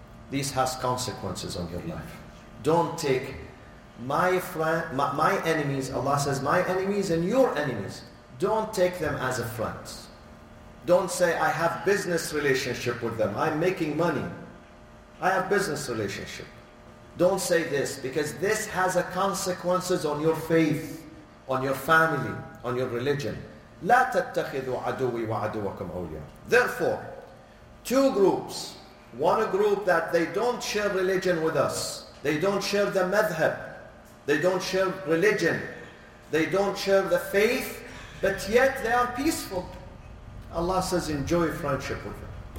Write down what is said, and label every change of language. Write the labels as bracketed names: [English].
[English] This has consequences on your life. Don't take my enemies, Allah says, my enemies and your enemies, don't take them as a friend. Don't say I have business relationship with them, I'm making money, I have business relationship. Don't say this, because this has a consequences on your faith, on your family, on your religion. [Arabic] لا تتخذوا عدوي وعدوكم أولياء. [English] Therefore, two groups. One, a group that they don't share religion with us. They don't share the madhab. They don't share religion. They don't share the faith. But yet they are peaceful. Allah says enjoy friendship with them.